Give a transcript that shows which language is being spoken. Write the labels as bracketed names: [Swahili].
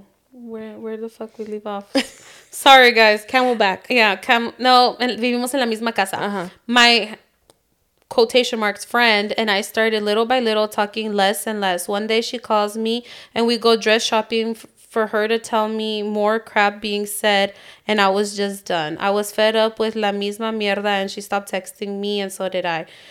[English] Where the fuck we leave off? Sorry guys, camel back. Yeah, [Spanish] vivimos en la misma casa. [English] Uh-huh. My quotation marks friend and I started little by little talking less and less. One day she calls me and we go dress shopping for her to tell me more crap being said, and I was just done. I was fed up with [Spanish] la misma mierda, [English] and she stopped texting me, and so did I.